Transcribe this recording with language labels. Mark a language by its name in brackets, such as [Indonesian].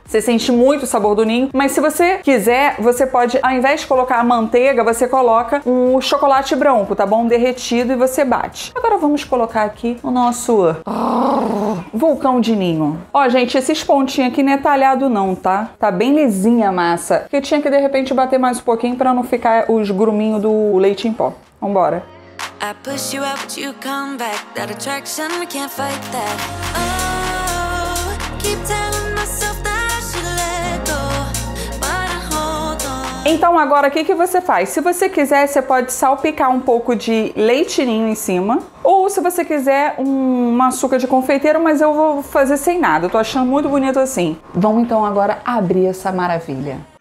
[Portuguese] Você sente muito o sabor do ninho. Mas se você quiser, você pode, ao invés de colocar a manteiga, você coloca um chocolate branco, tá bom? Derretido, e você bate. Agora vamos colocar aqui o nosso vulcão de ninho. Ó, gente, esses pontinhos aqui não é talhado não, tá? Tá bem lisinha a massa. Porque tinha que, de repente, bater mais um pouquinho pra não ficar os gruminhos do leite em pó. Vambora. [English] I push you out, you come back. That attraction, we can't fight that. Oh, keep telling myself that I should let go, but I hold on. [Portuguese] Então agora, o que você faz? Se você quiser, você pode salpicar um pouco de leite ninho em cima. Ou se você quiser um açúcar de confeiteiro, mas eu vou fazer sem nada. Eu tô achando muito bonito assim. Vamos então agora abrir essa maravilha.